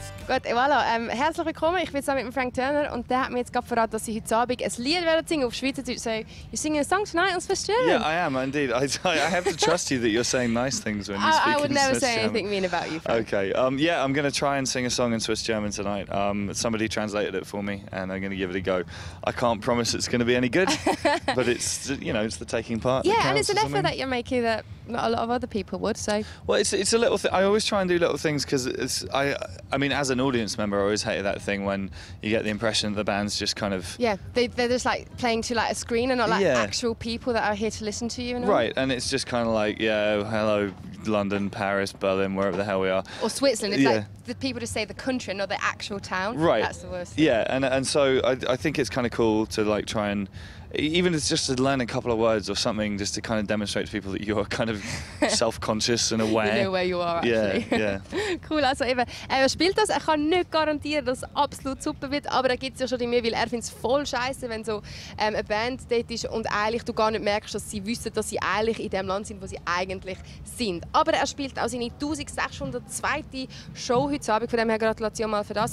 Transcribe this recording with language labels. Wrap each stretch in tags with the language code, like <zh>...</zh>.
<de>Gut, voilà. Herzlich willkommen. Ich bin zusammen mit Frank Turner und der hat mir jetzt gerade verraten, dass sie heute Abend ein Lied werden singen auf Schweizerdeutsch.</de> <en>So, you're singing a song tonight on Swiss German? Yeah, I am, indeed. I have to trust you that you're saying nice things when you're speaking I would never Swiss say German. Anything mean about you, Frank. Okay. Yeah, I'm going to try and sing a song in Swiss German tonight. Somebody translated it for me and I'm going to give it a go. I can't promise it's going to be any good, but it's, you know, it's the taking part. Yeah, that and it's an effort that you're making that not a lot of other people would say. So. Well, it's a little thing. I always try and do little things because I mean, as an audience member, I always hated that thing when you get the impression that the band's just kind of they're just like playing to like a screen and not like actual people that are here to listen to you and all. Right, and it's just kind of like hello London, Paris, Berlin, wherever the hell we are, or Switzerland. It's like the people just say the country and not the actual town. Right, that's the worst thing. Yeah, and so I think it's kind of cool to like try and even if it's just to learn a couple of words or something, just to kind of demonstrate to people that you're kind of self-conscious and aware. You know where you are, yeah, actually. Yeah.</en> <de>Cool, also eben, er spielt das, er kann nicht garantieren, dass es absolut super wird, aber er gibt es ja schon in mir, weil er findet es voll scheiße, wenn so eine Band dort ist und eigentlich du gar nicht merkst, dass sie wissen, dass sie eigentlich in dem Land sind, wo sie eigentlich sind. Aber er spielt auch seine 1602. Show heute Abend, von dem her Gratulation mal für das.</de>